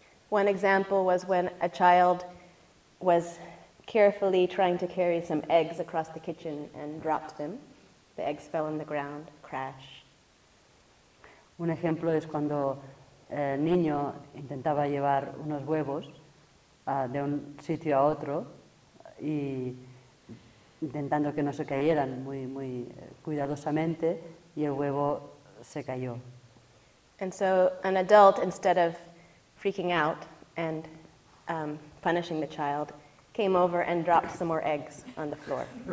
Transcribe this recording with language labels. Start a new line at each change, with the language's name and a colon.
English: One example was when a child was carefully trying to carry some eggs across the kitchen and dropped them. The eggs fell on the ground, crash.
Spanish: Un ejemplo es cuando el niño intentaba llevar unos huevos de un sitio a otro y intentando que no se cayeran muy, muy cuidadosamente y el huevo se cayó.
English: And so an adult, instead of freaking out and punishing the child, came over and dropped some more eggs on the floor.